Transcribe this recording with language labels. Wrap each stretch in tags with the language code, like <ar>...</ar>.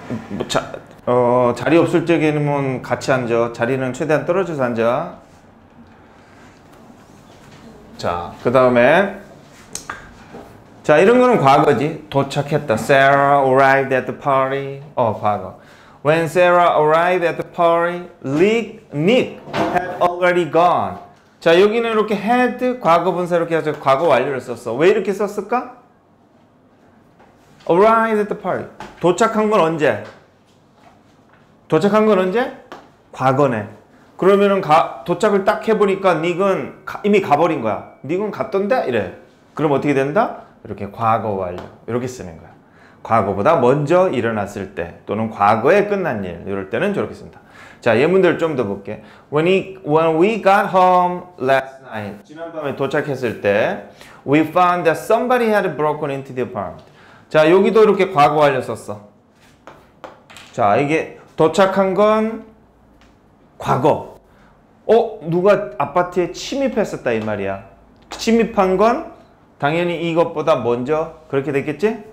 <ko>뭐 자, 어, 자리 없을 적에는 같이 앉아. 자리는 최대한 떨어져서 앉아. 자, 그 다음에 자, 이런 거는 과거지. 도착했다.</ko> <en>Sarah arrived at the party.</en> <ko>어, 과거.</ko> <en>When Sarah arrived at the party, Nick had already gone.</en> <ko>자, 여기는 이렇게 had 과거분사 이렇게 해서 과거 완료를 썼어.</ko> <en>왜 이렇게 썼을까? Arrived at the party.</en> <ko>도착한 건 언제? 도착한 건 언제? 과거네. 그러면은 도착을 딱 해보니까 닉은 이미 가버린 거야. 닉은 갔던데? 이래. 그럼 어떻게 된다? 이렇게 과거 완료. 이렇게 쓰는 거야. 과거보다 먼저 일어났을 때 또는 과거에 끝난 일 이럴 때는 저렇게 쓴다. 자, 예문들 좀 더 볼게.</ko> <en>When we got home last night,</en> <ko>지난밤에 도착했을 때</ko> <en>we found that somebody had broken into the apartment.</en> <ko>자, 여기도 이렇게 과거 완료 썼어. 자, 이게 도착한 건 과거. 어? 누가 아파트에 침입했었다 이 말이야. 침입한 건 당연히 이것보다 먼저 그렇게 됐겠지?</ko>